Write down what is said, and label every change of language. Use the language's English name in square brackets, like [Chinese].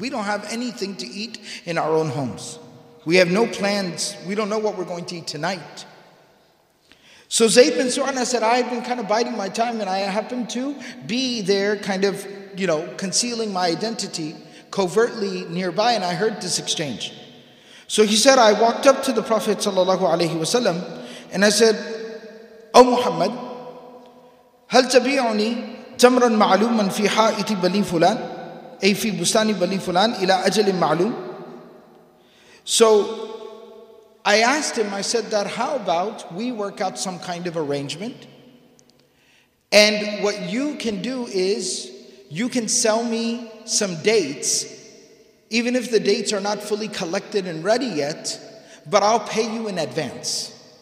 [English] We don't have anything to eat in our own homes. We have no plans. We don't know what we're going to eat tonight. So Zayd bin Su'ana said, I had been kind of biding my time and I happened to be there kind of, you know, concealing my identity covertly nearby, and I heard this exchange. So he said, I walked up to the Prophet ﷺ and I said, O Muhammad, [Arabic] هل تبيعني تمرا معلوما في حائط بلي فلان أي في بستان بلي فلان إلى أجل معلوم. [English] So I asked him, I said that, how about we work out some kind of arrangement, and what you can do is you can sell me some dates, even if the dates are not fully collected and ready yet, but I'll pay you in advance.